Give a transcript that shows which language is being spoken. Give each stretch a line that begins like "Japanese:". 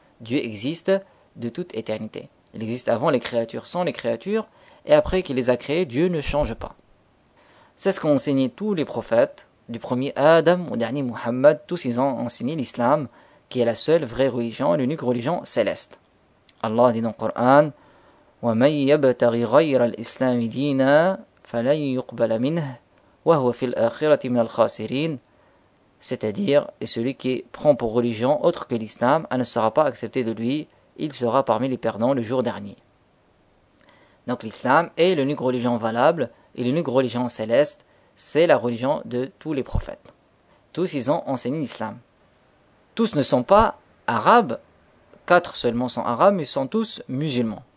French: Dieu existe de toute éternité. Il existe avant les créatures, sans les créatures, et après qu'il les a créées, Dieu ne change pas. C'est ce qu'ont enseigné tous les prophètes, du premier Adam au dernier Muhammad, tous ils ont enseigné l'islam, qui est la seule vraie religion, l'unique religion céleste. Allah dit dans le Coran,
Arabic: وَمَنْ يَبْتَغِ غَيْرَ الْإِسْلَامِ دِينَا فَلَنْ يُقْبَلَ مِنْهِ وَهُوَ فِي الْآخِرَةِ مِنَ الْخَاسِرِينَ.
French: C'est-à-dire, et celui qui prend pour religion autre que l'islam, elle ne sera pas acceptée de lui, il sera parmi les perdants le jour dernier. Donc l'islam est l'unique religion valable, et l'unique religion céleste, c'est la religion de tous les prophètes. Tous ils ont enseigné l'islam. Tous ne sont pas arabes, 4 seulement sont arabes, mais sont tous musulmans.